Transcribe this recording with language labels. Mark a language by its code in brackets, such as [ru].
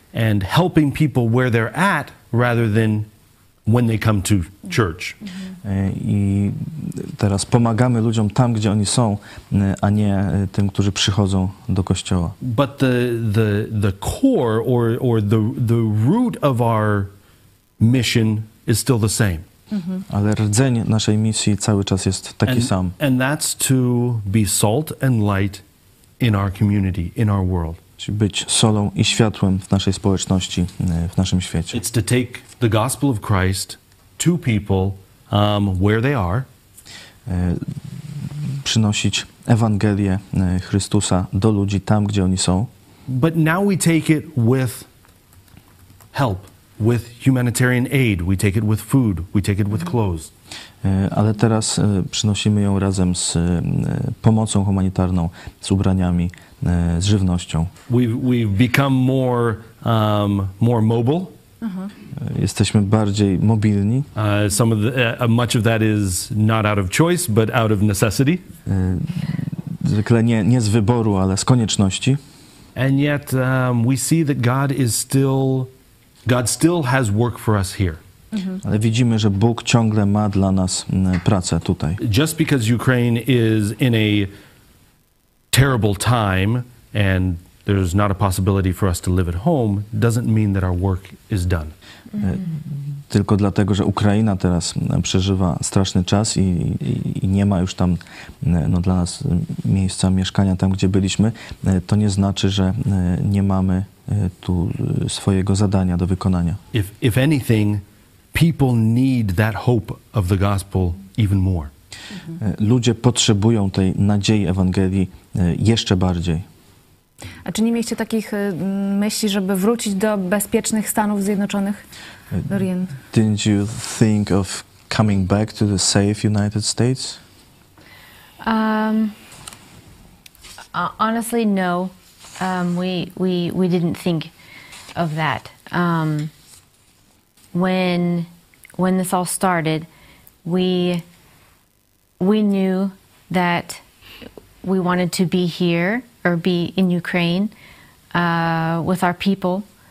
[en] And helping people where they're at rather than when they come to church. [pl] I teraz pomagamy ludziom tam, gdzie oni są, a nie tym, którzy przychodzą do kościoła. [en] But the core or the root of our mission is still the same. [pl] Ale rdzeń naszej misji cały czas jest taki sam. [en] And that's to be salt and light in our community, in our world. [pl] Być solą i światłem w naszej społeczności, w naszym świecie. [en] It's to take the gospel of Christ to people where they are. [pl] Przynosić Ewangelię Chrystusa do ludzi tam, gdzie oni są. [en] But now we take it with help, with humanitarian aid. We take it with food, we take it with clothes. [pl] Ale teraz przynosimy ją razem z pomocą humanitarną, z ubraniami, z żywnością. [en] We've become more more mobile. [pl] Jesteśmy bardziej mobilni. [en] Much of that is not out of choice, but out of necessity. [pl] Zwykle nie z wyboru, ale z konieczności. [en] And yet we see that God still has work for us here. [pl] Ale widzimy, że Bóg ciągle ma dla nas pracę tutaj. [en] Just because Ukraine is in a terrible time and there's not a possibility for us to live at home doesn't mean that our work is done. [pl] Tylko dlatego, że Ukraina teraz przeżywa straszny czas i nie ma już tam dla nas miejsca mieszkania tam, gdzie byliśmy, to nie znaczy, że nie mamy tu swojego zadania do wykonania. [en] If anything, people need that hope of the gospel even more. [pl] Ludzie potrzebują tej nadziei Ewangelii jeszcze bardziej. A czy nie mieliście takich myśli, żeby wrócić do bezpiecznych Stanów Zjednoczonych? Dorian. [en] Didn't you think of coming back to the safe United States? Honestly, no. We didn't think of that. When this all started, we knew that we wanted to be here or be in Ukraine with our people.